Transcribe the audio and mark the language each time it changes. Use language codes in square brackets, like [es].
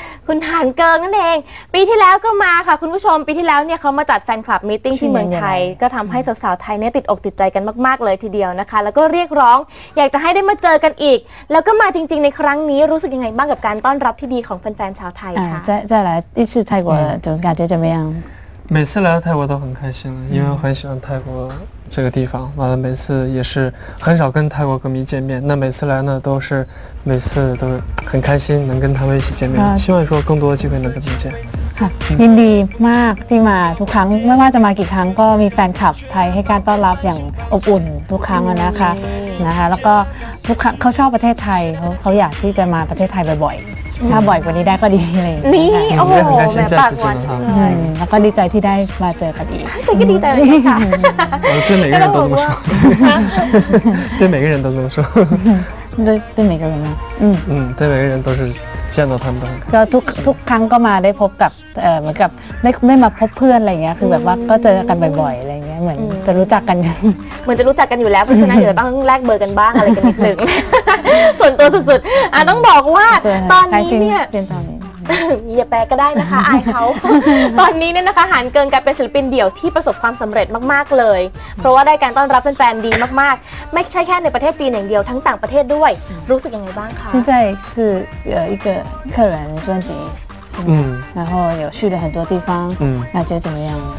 [th] คุณฐานเกิงนั่นเองปีที่แล้วก็มาค่ะคุณผู้ชมปีที่แล้วเนี่ยเขามาจัดแฟนคลับมีตติ้งที่เมืองไทยก็ทำให้สาวๆไทยเนี่ยติดอกติดใจกันมากๆเลยทีเดียวนะคะแล้วก็เรียกร้องอยากจะให้ได้มาเจอกันอีกแล้วก็มาจริงๆในครั้งนี้รู้สึกยังไงบ้างกับการต้อนรับที่ดีของแฟนๆชาวไทยคะ จะแล้วอีกที่ [zh] 泰国的感觉怎么样每次来到泰国都很开心因为很喜欢泰国这个地方完了每次也是很少跟泰国歌迷见面那每次来呢都是每次都很开心能跟他们一起见面希望说更多机会能跟他们见 [th] ยินดีมากที่มาทุกครั้งไม่ว่าจะมากี่ครั้งก็มีแฟนคลับไทยให้การต้อนรับอย่างอบอุ่นทุกครั้งนะคะนะคะแล้วก็ทุกครั้งเขาชอบประเทศไทยเขาอยากที่จะมาประเทศไทยบ่อยๆถ้าบ่อยกว่านี้ได้ก็ดีเลย นี่โอ้โห แบบ ป าก ห วาน แล้วก็ดีใจที่ได้มาเจอกันอีก จะก็ดีใจเลยค่ะ [zh] 对每个人都这么说对每个人都这么说对每个人吗对每个人都是见到他们 [th] ก็ทุกครั้งก็มาได้พบกับเหมือนกับได้มาพบเพื่อนอะไรเงี้ยคือแบบว่าก็เจอกันบ่อยๆอะไรเงี้ยเหมือนจะรู้จักกัน เหมือนจะรู้จักกันอยู่แล้วเพราะฉะนั้นเดี๋ยวต้องแลกเบอร์กันบ้างอะไรกันนิดนึงส่วนตัวสุดๆต้องบอกว่าตอนนี้เนี่ยอย่าแปลก็ได้นะคะอายเขาตอนนี้เนี่ยนะคะหันเกินกลายเป็นศิลปินเดี่ยวที่ประสบความสำเร็จมากๆเลยเพราะว่าได้การต้อนรับแฟนๆดีมากๆไม่ใช่แค่ในประเทศจีนอย่างเดียวทั้งต่างประเทศด้วยรู้สึกยังไงบ้างคะ [zh] 现在是有一个客人专辑，然后有去了很多地方，感觉怎么样？